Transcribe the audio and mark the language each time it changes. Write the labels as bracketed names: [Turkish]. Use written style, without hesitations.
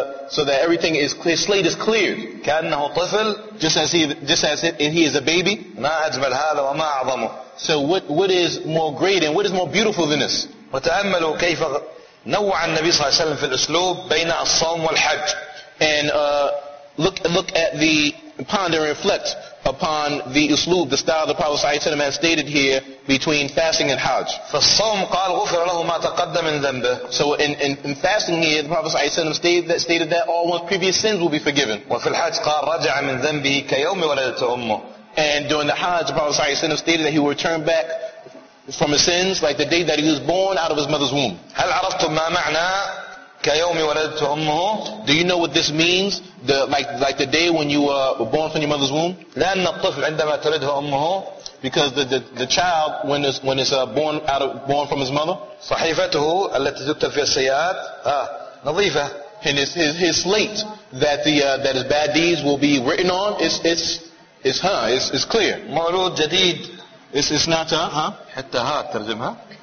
[English] So that everything is clear, his slate is cleared. [Arabic] كأنه طفل. [English] Just as he is a baby. [Arabic] ما أجمل هذا وما أعظمه. [English] So what is more great and what is more beautiful than this? [Arabic] وتأملوا كيف نوع النبي صلى الله عليه وسلم في الأسلوب بين الصوم والحج. [English] And look at the ponder and reflect upon the usloob, the style the Prophet ﷺ has stated here between fasting and Hajj. [Arabic] فالصوم قال غفر له ما تقدم من ذنبه. [English] So in fasting here, the Prophet ﷺ stated that all one's previous sins will be forgiven. [Arabic] وفي الحج قال رجع من ذنبه كيوم ولدته أمه. [English] And during the Hajj, the Prophet ﷺ stated that he will return back from his sins like the day that he was born out of his mother's womb. [Arabic] هل عرفتم ما معنى كيوم ولدته أمه؟ [English] Do you know what this means? Like the day when you were born from your mother's womb? [Arabic] لأن الطفل عندما تلده أمه. [English] Because the child when it's born from his mother. [Arabic] صحيفته التي تكتب في السيئات نظيفة. [English] And his slate that his bad deeds will be written on is clear. [Arabic] مولود جديد. [English] It's not [Arabic] حتى ها ترجمها.